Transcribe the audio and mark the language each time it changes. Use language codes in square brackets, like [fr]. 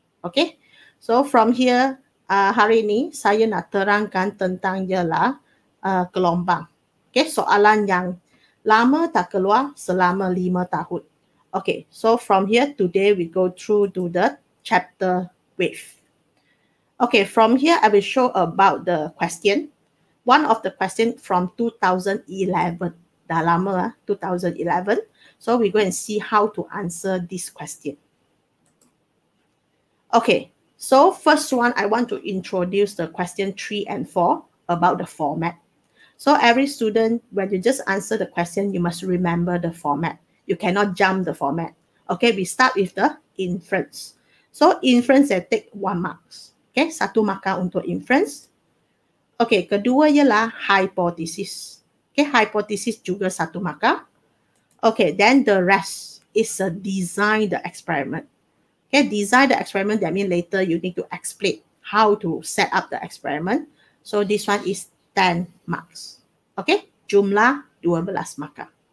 [en] Okay, so from here, [ms] hari ini saya nak terangkan tentang ialah gelombang. Okay, soalan yang lama tak keluar selama 5 tahun. [en] Okay, so from here today we go through to the chapter wave. Okay, from here, I will show about the question. One of the questions from 2011. [ms] Dah lama, [en] 2011. So we go and see how to answer this question. Okay, so first one, I want to introduce the question 3 and 4 about the format. So every student, when you just answer the question, you must remember the format. You cannot jump the format. Okay, we start with the inference. So inference, I take 1 marks. Okay, [ms] 1 markah untuk inference. Okay, kedua ialah hypothesis. Okay, hypothesis juga 1 markah. [en] Okay, then the rest is a design the experiment. Okay, design the experiment, that means later you need to explain how to set up the experiment. So this one is 10 marks. Okay, [ms] jumlah 12 markah.